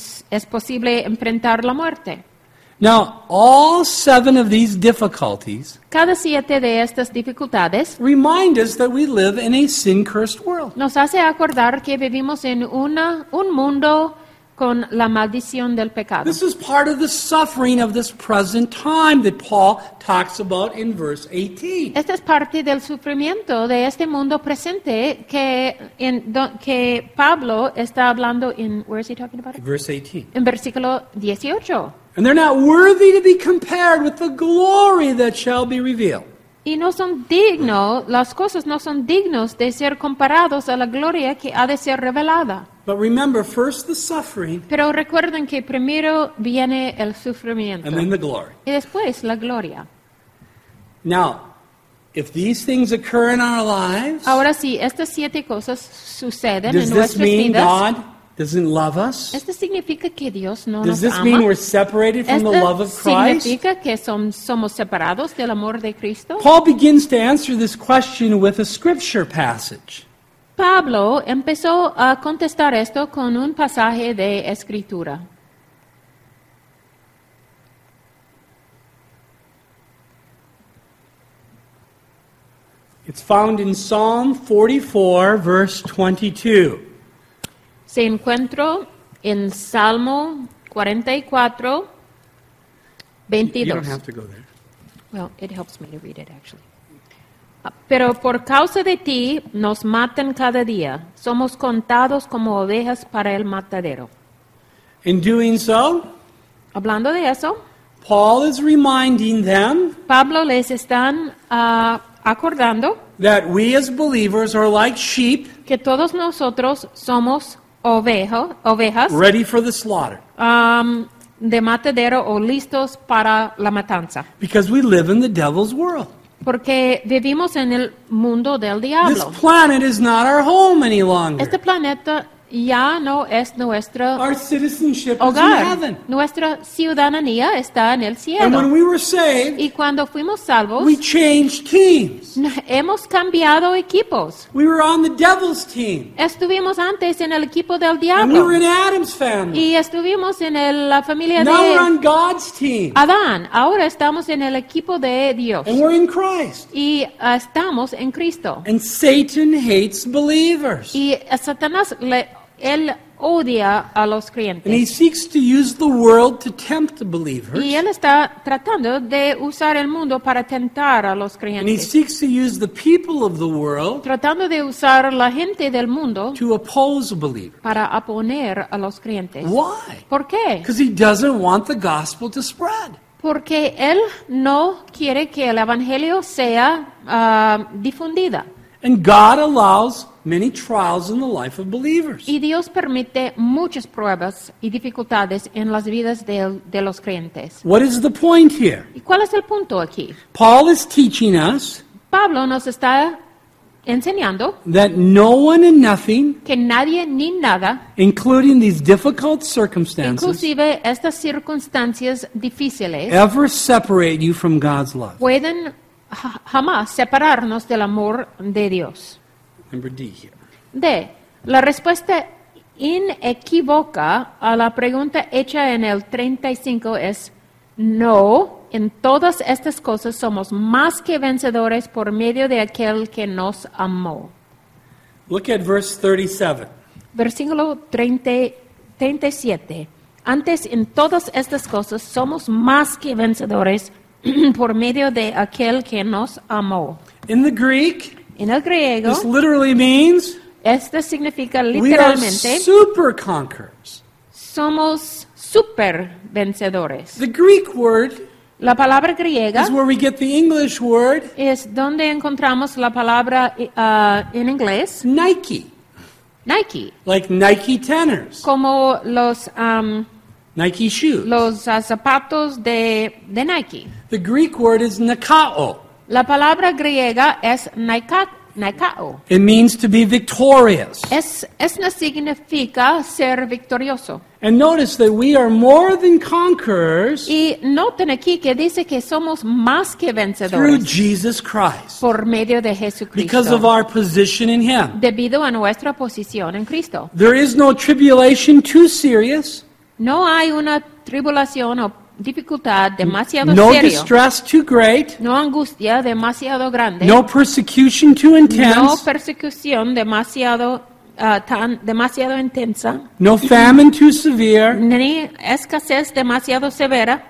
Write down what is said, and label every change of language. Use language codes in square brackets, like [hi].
[es] Es posible enfrentar la muerte. [en] Now, all seven of these difficulties [es] cada siete de estas dificultades [en] remind us that we live in a sin-cursed world. [es] Nos hace acordar que vivimos en un mundo con la maldición del pecado. [en] This is part of the suffering of this present time that Paul talks about in verse 18. [es] Esta es parte del sufrimiento de este mundo presente que Pablo está hablando en [en] verse [es] 18. En versículo 18. [en] And they're not worthy to be compared with the glory that shall be revealed. [es] Y no son dignos, las cosas no son dignos de ser comparados a la gloria que ha de ser revelada. [en] But remember, first the suffering. [es] Pero recuerden que primero viene el sufrimiento. [en] And then the glory. [es] Y después la gloria. [en] Now, if these things occur in our lives, [es] ahora si estas siete cosas suceden en nuestras vidas, [en] God doesn't love us? [es] ¿Esto significa que Dios no [en] Does [es] nos [en] this [es] ama? [en] Mean we're separated from the love of Christ? [es] ¿Significa que somos separados del amor de Cristo? [en] Paul begins to answer this question with a scripture passage. [es] Pablo empezó a contestar esto con un pasaje de escritura. [en] It's found in Psalm 44, verse 22. [es] Se encuentro en Salmo 44, 22. [en] You don't have to go there. Well, it helps me to read it, actually. [es] Pero por causa de ti, nos matan cada día. Somos contados como ovejas para el matadero. [en] In doing so, [es] hablando de eso, [en] Paul is reminding them, [es] Pablo les están acordando, [en] that we as believers are like sheep, [es] que todos nosotros somos ovejas [en] ready for the slaughter. [es] De matadero o listos para la matanza. [en] Because we live in the devil's world. [es] Porque vivimos en el mundo del diablo. [en] This planet is not our home any longer. [es] Este planeta ya no es nuestro hogar. [en] Our citizenship [es] hogar. [en] Is in heaven. [es] Nuestra ciudadanía está en el cielo. [en] And when we were saved, [es] y cuando fuimos salvos, [en] we changed teams. [es] Hemos cambiado equipos. [en] We were on the devil's team. [es] Estuvimos antes en el equipo del diablo. [en] And we were in Adam's family. [es] Y estuvimos en la familia [en] now [es] de [en] we're on God's team. [es] Adán. Ahora estamos en el equipo de Dios. [en] And we're in Christ. [es] Y estamos en Cristo. [en] And Satan hates believers. [es] Y Satanás le Él odia a los creyentes. [en] And he seeks to use the world to tempt the believers. [es] Y él está tratando de usar el mundo para tentar a los creyentes. [en] And he seeks to use the people of the world, [es] tratando de usar la gente del mundo, [en] to oppose believers. [es] Para oponer a los creyentes. [en] Why? [es] ¿Por qué? [en] Because he doesn't want the gospel to spread. [es] Porque él no quiere que el evangelio sea difundida. [en] And God allows many trials in the life of believers. [es] Y Dios permite muchas pruebas y dificultades en las vidas de los creyentes. [en] What is the point here? [es] ¿Y cuál es el punto aquí? [en] Paul is teaching us. [es] Pablo nos está enseñando [en] that no one and nothing, [es] que nadie ni nada, [en] including these difficult circumstances, [es] inclusive estas circunstancias difíciles, [en] ever separate you from God's love. [es] Pueden jamás separarnos del amor de Dios. [en] Number D here. [es] D. La respuesta inequívoca a la pregunta hecha en el 35 es no. En todas estas cosas somos más que vencedores por medio de aquel que nos amó. [en] Look at verse 37. [es] Versículo 37. Antes, en todas estas cosas somos más que vencedores por medio de aquel que nos amó. [en] In the Greek, [es] en el griego, [en] this literally means, [es] esto significa literalmente, [en] we are super conquerors. [es] Somos super vencedores. [en] The Greek word, [es] la palabra griega, [en] is where we get the English word, [es] es donde encontramos la palabra en inglés, [en] Nike. [es] Nike. [en] Like Nike tenors. [es] Como los [en] Nike shoes. [es] Los zapatos de Nike. [en] The Greek word is nikao. [es] La palabra griega es nikao. [en] It means to be victorious. [es] Es no significa ser victorioso. [en] And notice that we are more than conquerors. [es] Y noten aquí que dice que somos más que vencedores. [en] Through Jesus Christ. [es] Por medio de Jesucristo. [en] Because of our position in Him. [es] Debido a nuestra posición en Cristo. [en] There is no tribulation too serious. [es] No hay una tribulación o dificultad demasiado seria. [en] No distress too great. [es] No angustia demasiado grande. [en] No persecution too intense. [es] No persecución demasiado demasiado intensa. [en] No famine too severe. [es] Ni escasez demasiado severa.